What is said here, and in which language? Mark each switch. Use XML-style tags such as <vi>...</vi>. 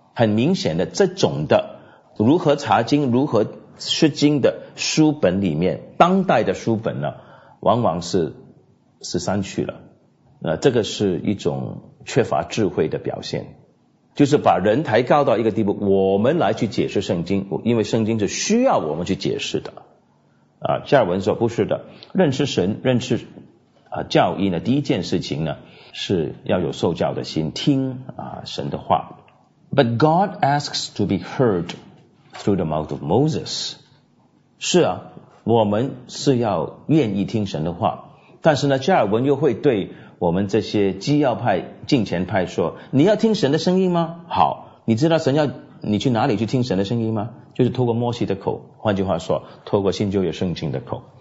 <zh>很明显的，这种的如何查经如何释经的书本里面，当代的书本呢往往是删去了，那这个是一种缺乏智慧的表现，就是把人抬高到一个地步，我们来去解释圣经，因为圣经是需要我们去解释的啊。加尔文说不是的，认识神认识教义呢，第一件事情呢是要有受教的心，听神的话。</zh> <en>But God asks to be heard through the mouth of Moses.</en> <zh>是啊，我们是要愿意听神的话，但是呢加尔文又会对我们这些基要派敬虔派说，你要听神的声音吗？好，你知道神要你去哪里去听神的声音吗？就是透过摩西的口，换句话说透过新旧约圣经的口。</zh>